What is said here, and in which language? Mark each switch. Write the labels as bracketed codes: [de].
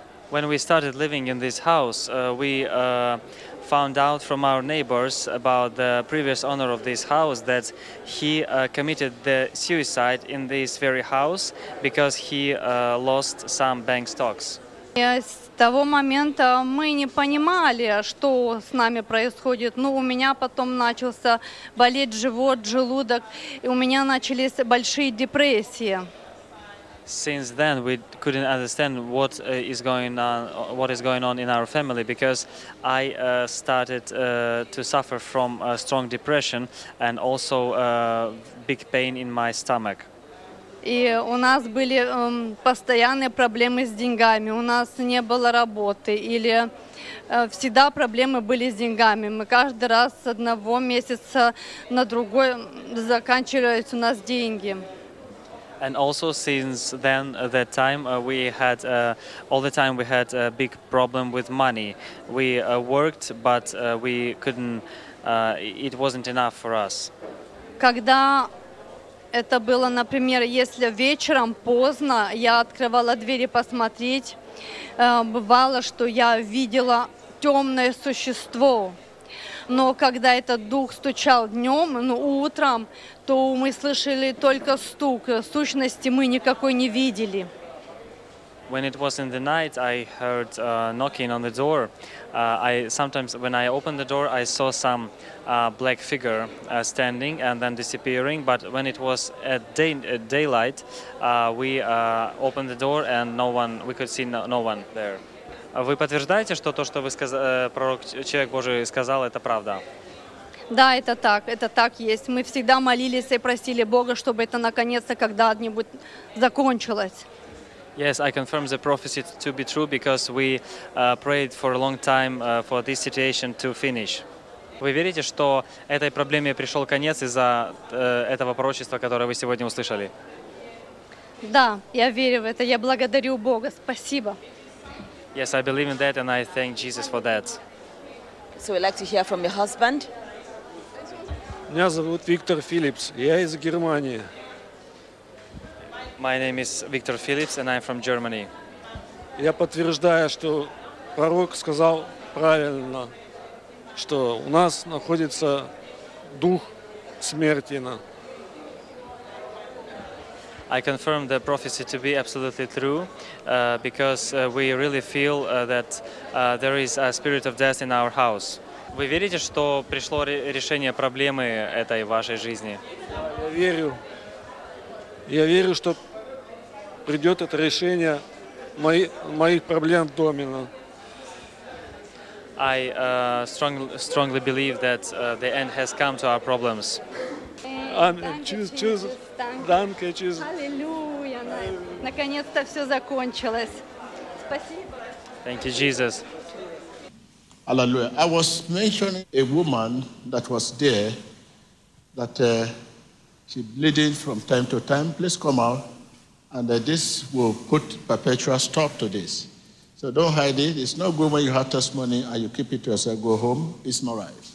[en] When we started living in this house, we found out from our neighbors about the previous owner of this house that he committed the suicide in this very house because he lost some bank stocks. Yes. [ru] С того момента мы не понимали, что с нами происходит. Но у меня потом начался болеть живот, желудок, и у меня начались большие депрессии. [en] since then we couldn't understand what is going on in our family, because I started to suffer from a strong depression and also big pain in my stomach. [ru] И у нас были постоянные проблемы с деньгами. У нас не было работы или всегда проблемы были с деньгами. Мы каждый раз с одного месяца на другой заканчивались у нас деньги. [en] And also since then that time we had all the time we had a big problem with money. We worked, but we couldn't it wasn't enough for us. [ru] Когда это было, например, если вечером поздно я открывала двери посмотреть, бывало, что я видела темное существо. Но когда этот дух стучал днем, ну, утром, то мы слышали только стук. Сущности мы никакой не видели. [en] When it was in the night, I heard knocking on the door. Sometimes when I opened the door, I saw some black figure standing and then disappearing. But when it was at daylight, we opened the door and we could see no one there. [ru] Вы подтверждаете, что то, что вы сказали, пророк, человек Божий сказал, это правда? Да, это так есть. Мы всегда молились и просили Бога, чтобы это наконец-то когда-нибудь закончилось. [en] Yes, I confirm the prophecy to be true, because we prayed for a long time for this situation to finish. [ru] Вы верите, что этой проблеме пришел конец из-за этого пророчества, которое вы сегодня услышали? Да, я верю в это. Я благодарю Бога. Спасибо. [en] Yes, I believe in that, and I thank Jesus for that. So we'd like to hear from your husband. [ru] Меня зовут Виктор Филлипс. Я из Германии. [en] My name is Victor Phillips, and I'm from Germany. [ru] Я подтверждаю, что пророк сказал правильно, что у нас находится дух смерти. [en] I confirm the prophecy to be absolutely true, because we really feel that there is a spirit of death in our house. [ru] Вы верите, что пришло решение проблемы этой вашей жизни? Я верю. Я верю, что придет это решение моих проблем в доме. [en] I strongly believe that the end has come to our problems. Thank you, Jesus. [ru] Аллилуйя. Наконец-то все закончилось. Спасибо. [en] Thank you, Jesus. Hallelujah. I was mentioning a woman that was there, that she bleeding from time to time. Please come out. And this will put perpetual stop to this. So don't hide it. It's not good when you have testimony and you keep it to yourself, go home. It's not right.